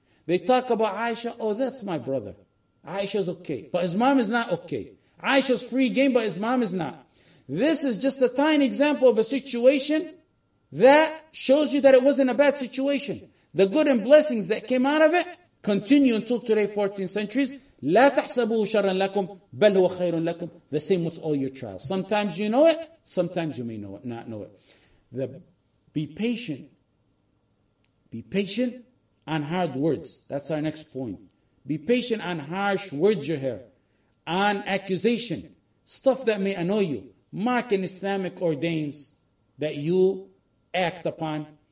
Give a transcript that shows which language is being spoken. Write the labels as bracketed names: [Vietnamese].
[English] They talk about Aisha, oh, that's my brother. Aisha's okay, but his mom is not okay. Aisha's free game, but his mom is not. This is just a tiny example of a situation that shows you that it wasn't a bad situation. The good and blessings that came out of it continue until today, 14 centuries. [Arabic] لا تحسبوه شرا لكم بل هو خير لكم. [English] The same with all your trials. Sometimes you know it, sometimes you may know it, not know it. Be patient. Be patient on hard words. That's our next point. Be patient on harsh words you hear, on accusation, stuff that may annoy you, mocking Islamic ordains that you act upon.